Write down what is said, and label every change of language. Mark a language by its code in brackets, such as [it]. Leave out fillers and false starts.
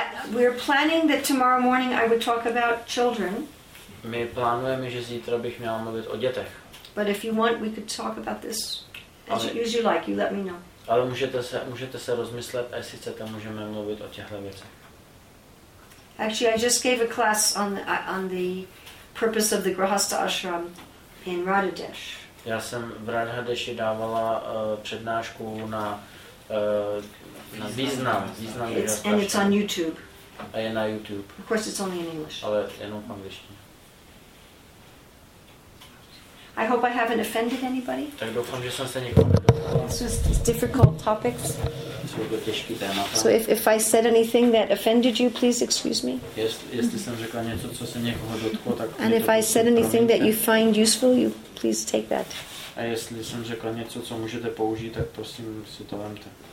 [en] We're planning that tomorrow morning I would talk about children. [cs] My plánujeme, že zítra bych měla mluvit o dětech. [en] But if you want, we could talk about this as you like. You let me know. [cs] Ale můžete se rozmyslet, a jestli chcete, můžeme mluvit o těchto věcech. [en] Actually, I just gave a class on the purpose of the Grahastha ashram in Radhadesh. [cs] Já jsem v Radhadeshi dávala přednášku na význam [en] Grahastha. And it's on YouTube. [cs] A je na YouTube. [en] Of course, it's only in English. [cs] Ale jenom v angličtině. [en] I hope I haven't offended anybody. [cs] Tak doufám, že jsem se nikomu [en] nedotkl. This is difficult topics. [cs] Jsou to těžký téma. [en] So if I said anything that offended you, please excuse me. [cs] Jestli jsem řekla něco, co se někoho dotklo, tak. [en] And if I said anything that you find useful, you please take that. [cs] A jestli jsem řekla něco, co můžete použít, tak prosím si to vemte.